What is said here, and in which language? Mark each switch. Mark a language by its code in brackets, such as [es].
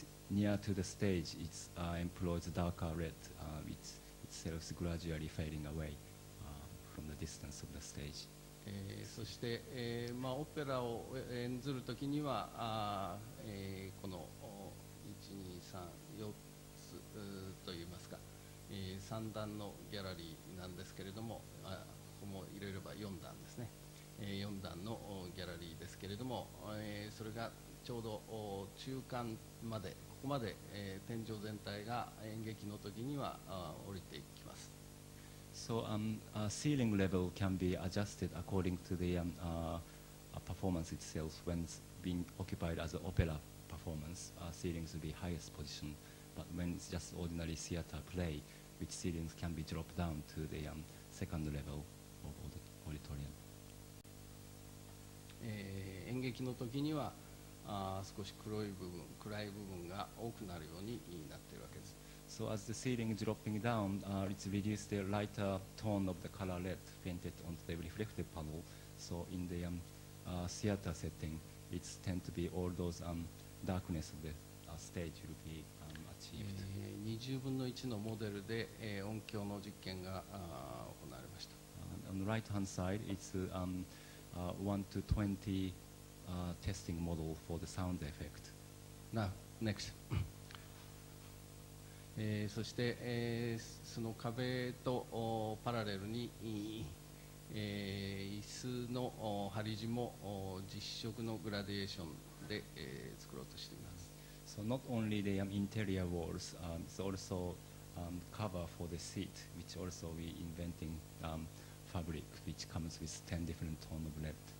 [en] Near to the stage, it employs darker red, which itself is gradually fading away from the distance of the stage. [ja] そして、まあ、オペラを演ずるときにはこの 1,2,3,4 といいますか、3段のギャラリーなんですけれども、ここも入れれば4段ですね、4段のギャラリーですけれども、それがちょうど中間まで、ここまで、天井全体が演劇のときには降りていきます。 [en] So ceiling level can be adjusted according to the performance itself. When it's being occupied as an opera performance, ceilings will be highest position. But when it's just ordinary theater play, which ceilings can be dropped down to the second level of auditorium. [ja] 演劇の時には少し黒い部分、暗い部分が多くなるようになっているわけです。 [en] So as the ceiling is dropping down, it's reduced the lighter tone of the color red painted onto the reflective panel. So in the theater setting, it tend to be all those darkness of the stage will be achieved. [ja] 20分の1のモデルで音響の実験が行われました。 [en] On the right hand side, it's 1 to 20 testing model for the sound effect. Now, next. [ja] そして、その壁とパラレルに、椅子の張り地も実色のグラデーションで、作ろうとしています。 [en] So not only the interior walls, it's also cover for the seat, which also we inventing fabric, which comes with 10 different tone of red.